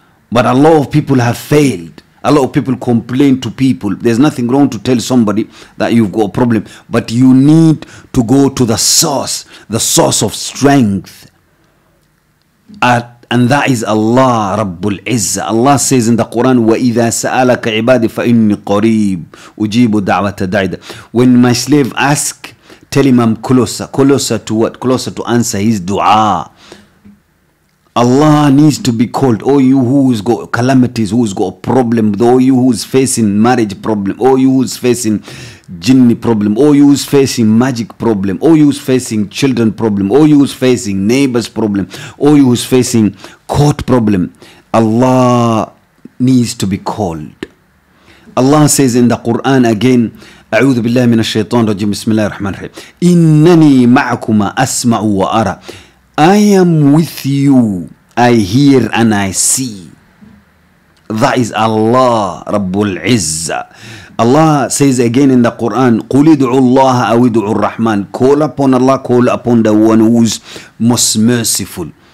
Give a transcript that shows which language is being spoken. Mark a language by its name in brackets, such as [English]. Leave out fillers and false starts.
[English] But a lot of people have failed. A lot of people complain to people. There's nothing wrong to tell somebody that you've got a problem, but you need to go to the source of strength. And that is Allah Rabbul Izzah. Allah says in the Quran, [Arabic] وَإِذَا سَأَلَكَ عِبَادِ فَإِنِّي قَرِيبُ أُجِيبُ دَعْوَةَ دَعِدَ. [English] When my slave asks, tell him I'm closer. Closer to what? Closer to answer his dua. Allah needs to be called. Oh, you who's got calamities, who's got a problem, oh, you who's facing marriage problem, oh, you who's facing jinni problem, oh, you who's facing magic problem, oh, you who's facing children problem, oh, you who's facing neighbors problem, oh, you who's facing court problem, Allah needs to be called. Allah says in the Quran again, [Arabic] أعوذ بالله من الشيطان الرجيم بسم الله الرحمن الرحيم إنني معكما أسمع وأرى. [English] I am with you, I hear and I see. That is Allah Rabbul Izzah. Allah says again in the Quran, [Arabic] قُلِ دُعُوا اللَّهَ أَوِ دُعُوا الرَّحْمَنِ. [English] Call upon Allah, call upon the one who is most merciful.